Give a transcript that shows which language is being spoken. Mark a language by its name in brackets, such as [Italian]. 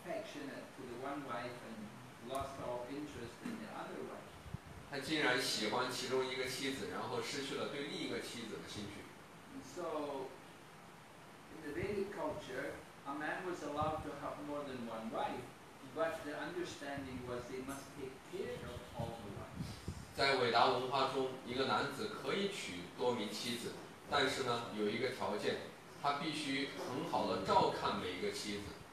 [English] to the one wife and lost all interest in the other wife. [Chinese] 他竟然喜欢其中一个妻子，然后失去了对另一个妻子的兴趣。 [English] And so, in the Vedic culture, a man was allowed to have more than one wife, but the understanding was they must take care of all the wives. [Chinese] 在伟达文化中，一个男子可以娶多名妻子，但是呢，有一个条件。他必须很好地照看每一个妻子。